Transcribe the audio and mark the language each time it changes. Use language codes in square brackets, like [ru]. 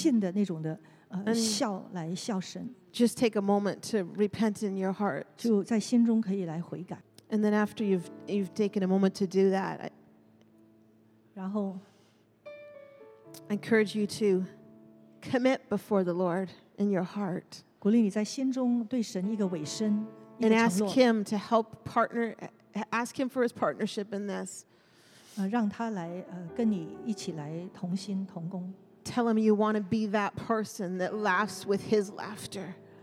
[zh] 就是呢让神来让你看见在你的人生当中你曾经是用那个不动的不信的那种的笑来笑神。 [en] Just take a moment to repent in your heart. [zh] 就在心中可以来悔改。 [en] And then after you've taken a moment to do that, I encourage you to commit before the Lord in your heart. And ask him to help partner, ask him for his partnership in this. [zh] 让他来跟你一起来同心同工。 [en] Tell him you want to be that person that laughs with his laughter.